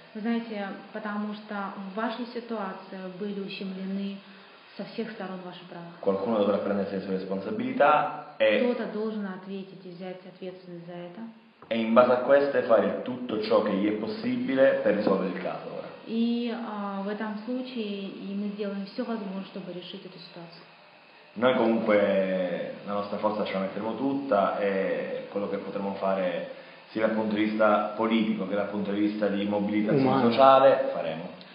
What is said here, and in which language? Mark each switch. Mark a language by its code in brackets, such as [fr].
[ru] Вы знаете, потому что в вашей ситуации были ущемлены со всех сторон ваши права. [it] Qualcuno dovrà prendersi le sue responsabilità e [ru] кто-то должен ответить и взять ответственность за это. [it] E in base a queste fare tutto ciò che gli è possibile per risolvere il caso. [ru] И в этом случае и мы сделаем все возможное, чтобы решить эту ситуацию. [it] Noi comunque la nostra forza ce la metteremo tutta e quello che potremo fare sia dal punto di vista politico che dal punto di vista di mobilitazione sociale faremo.